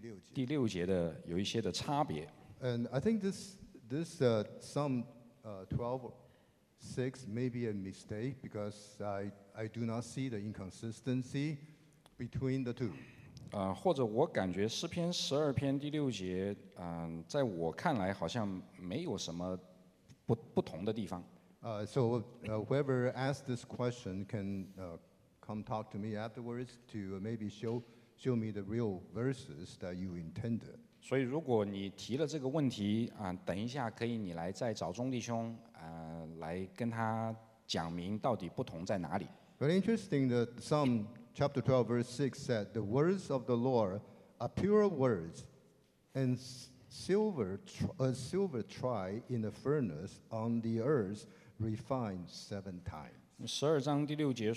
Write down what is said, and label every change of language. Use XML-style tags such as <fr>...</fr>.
<zh>这个怎么来理解以斯帖记第三章第一节跟诗篇十二篇第六节的有一些的差别。</zh> <en>And I think this Psalm 12:6 may be a mistake because I do not see the inconsistency between the two.</en> <zh>或者我感觉诗篇十二篇第六节，在我看来好像没有什么不同的地方。</zh> <en>So whoever asked this question can come talk to me afterwards to maybe show me the real verses that you intended.</en> <zh>所以如果你提了这个问题，等一下可以你来再找钟弟兄来跟他讲明到底不同在哪里。</zh> <en>Very interesting that Psalm chapter 12 verse 6 said, the words of the Lord are pure words and silver tried in a furnace on the earth refined seven times.</en>